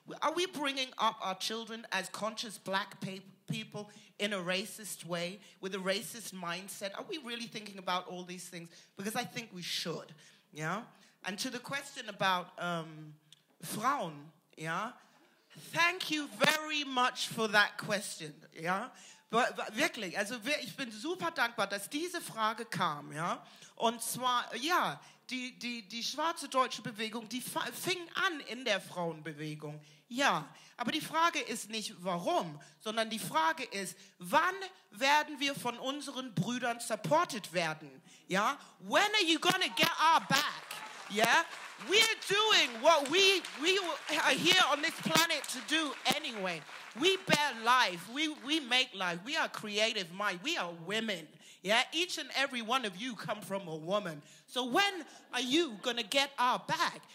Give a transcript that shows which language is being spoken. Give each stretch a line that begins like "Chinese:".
English: Are we bringing up our children as conscious black people in a racist way, with a racist mindset? Are we really thinking about all these things? Because I think we should, yeah? And to the question about Frauen, yeah? Thank you very much for that question, yeah?
German: Wirklich, also ich bin super dankbar, dass diese Frage kam, ja? Und zwar, ja, die schwarze deutsche Bewegung, die fing an in der Frauenbewegung, ja. Aber die Frage ist nicht, warum, sondern die Frage ist, wann werden wir von unseren Brüdern supported werden, ja?
English: When are you gonna get our back, yeah? We're doing what we are here on this planet to do anyway. We bear life. We make life. We are creative mind. We are women. Yeah, each and every one of you come from a woman. So when are you going to get our back?